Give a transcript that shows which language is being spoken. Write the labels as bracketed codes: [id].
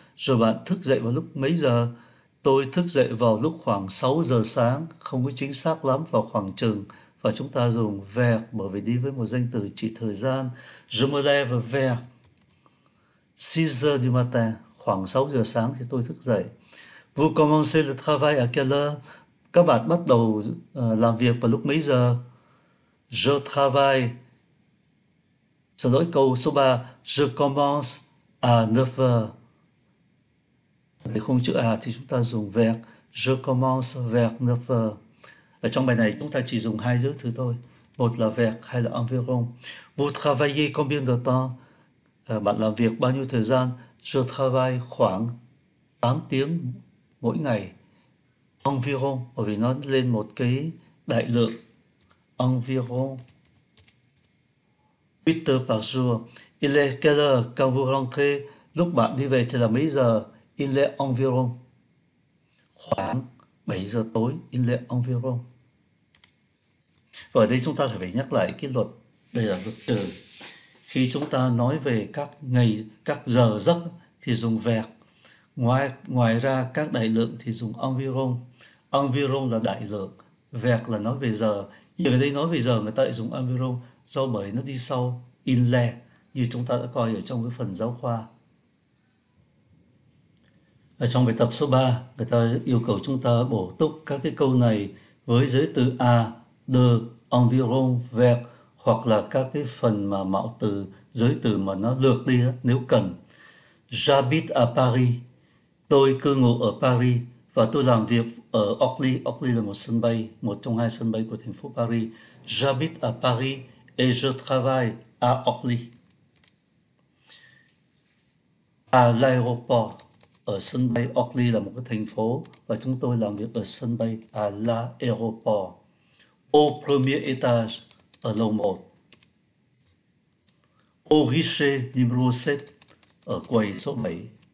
[vi] Rồi bạn thức dậy vào lúc mấy giờ? Tôi thức dậy vào lúc khoảng 6 giờ sáng, không có chính xác lắm, vào khoảng chừng. Và chúng ta dùng vers bởi vì đi với một danh từ chỉ thời gian. [fr] Je me lève vers 6 heures du matin. [vi] Khoảng 6 giờ sáng thì tôi thức dậy. [fr] Vous commencez le travail à quelle heure? [vi] Các bạn bắt đầu làm việc vào lúc mấy giờ? [fr] Je travaille. [vi] Xin lỗi câu số 3. [fr] Je commence à 9 heures. [vi] Để không chữ à thì chúng ta dùng verb. [fr] Je commence vers 9 heures. [vi] Ở trong bài này chúng ta chỉ dùng hai giới thứ thôi. Một là verb hay là environ. [fr] Vous travaillez combien de temps? [vi] Bạn làm việc bao nhiêu thời gian? [fr] Je travaille [vi] khoảng 8 tiếng mỗi ngày. Environ, bởi vì nó lên một cái đại lượng. [fr] Environ 8 heures par jour. Il est quelle heure quand vous rentrez? [vi] Lúc bạn đi về thì là mấy giờ? [fr] Il est environ. [vi] Khoảng 7 giờ tối. Il est environ. Và ở đây chúng ta phải nhắc lại cái luật. Đây là luật từ. Khi chúng ta nói về các ngày, các giờ giấc thì dùng verb. Ngoài ngoài ra các đại lượng thì dùng environ. Environ là đại lượng, verb là nói về giờ. Nhưng ở đây nói về giờ người ta lại dùng environ do bởi nó đi sau in le như chúng ta đã coi ở trong cái phần giáo khoa. Ở trong bài tập số 3, người ta yêu cầu chúng ta bổ túc các cái câu này với giới từ à, de, environ, verb hoặc là các cái phần mà mạo từ, giới từ mà nó lược đi đó, nếu cần. [fr] J'habite à Paris. [vi] Tôi cư ngụ ở Paris và tôi làm việc ở Orly. Orly là một sân bay, một trong hai sân bay của thành phố Paris. [fr] J'habite à Paris et je travaille à Orly. À l'aéroport, [vi] ở sân bay Orly là một cái thành phố và chúng tôi làm việc ở sân bay [fr] à l'aéroport. Au premier étage, [vi] ở lầu 1. [fr] Au guichet numéro 7, [vi] ở quầy số 7.